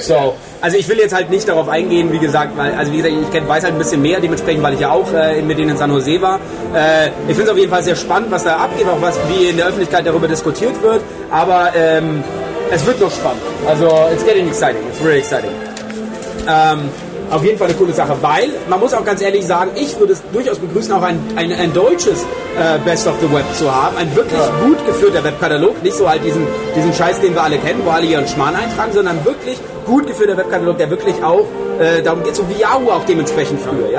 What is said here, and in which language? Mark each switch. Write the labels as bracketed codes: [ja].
[de] So. Also ich will jetzt halt nicht darauf eingehen, wie gesagt, weil ich weiß halt ein bisschen mehr dementsprechend, weil ich ja auch mit denen in San Jose war. Ich finde es auf jeden Fall sehr spannend, was da abgeht, auch was wie in der Öffentlichkeit darüber diskutiert wird. Aber es wird noch spannend. Also [en] it's getting exciting, it's really exciting. [de] Auf jeden Fall eine coole Sache, weil man muss auch ganz ehrlich sagen, ich würde es durchaus begrüßen, auch ein deutsches Best of the Web zu haben, ein wirklich gut geführter Webkatalog, nicht so halt diesen Scheiß, den wir alle kennen, wo alle ihren Schmarrn eintragen, sondern wirklich gut geführter Webkatalog, der wirklich auch darum geht, so wie Yahoo auch dementsprechend früher.